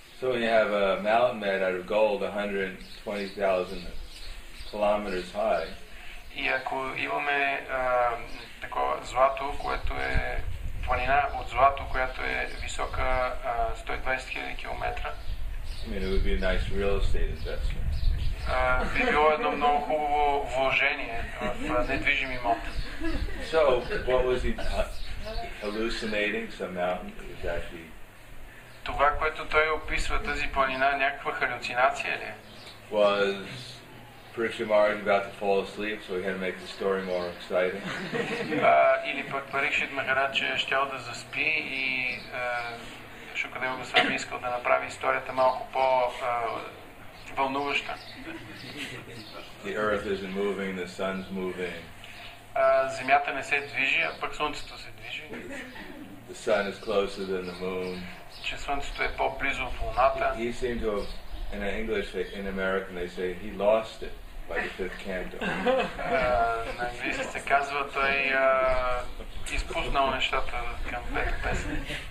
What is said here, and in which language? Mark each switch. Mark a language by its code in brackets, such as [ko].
[en] So when you have a mountain made out of gold, 120,000 kilometers high. [bg] И ако имаме такова злато, което е планина от злато, която е висока 120,000 километра. [en] I mean, it would be a nice real estate investment. [bg] Би било едно много хубаво вложение в недвижим имот. [en] So, what was he hallucinating? Some mountain is actually. [bg] Това, което той описва тази планина, някаква халюцинация ли? [en] Was Pariksit Maharaj about to fall asleep, so he had to make the story more exciting? [bg] Или пък Pariksit Maharaj щял да заспи и Шукадева Госвами искал да направи историята малко по вълнуваща. [en] The earth isn't moving, the sun's moving. [bg] Земята не се движи, а пък слънцето се движи. [en] The sun is closer than the moon. [bg] Че слънцето е по-близо от луната. [en] He seemed to have, in English, in American, they say he lost it by the fifth canto. [bg] На английски се казва, той изпуснал нещата към пета песен.